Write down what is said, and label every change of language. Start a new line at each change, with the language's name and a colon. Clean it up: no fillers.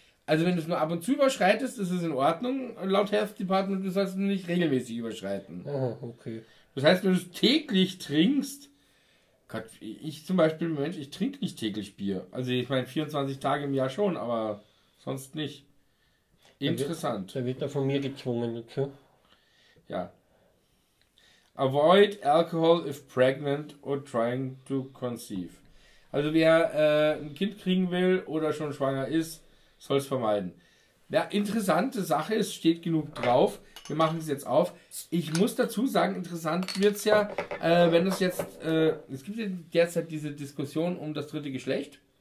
German: Also wenn du es nur ab und zu überschreitest, ist es in Ordnung. Laut Health Department, du sollst es nicht regelmäßig überschreiten. Aha, okay. Das heißt, wenn du es täglich trinkst, Gott, ich zum Beispiel, Mensch, ich trinke nicht täglich Bier. Also ich meine, 24 Tage im Jahr schon, aber sonst nicht. Interessant. Da wird er von mir gezwungen dazu. Ja.
English: Avoid alcohol if pregnant or trying to conceive.
German: Also wer ein Kind kriegen will oder schon schwanger ist, soll es vermeiden. Ja, interessante Sache, es steht genug drauf. Wir machen es jetzt auf. Ich muss dazu sagen, interessant wird es ja, wenn es jetzt, es gibt ja derzeit diese Diskussion um das dritte Geschlecht.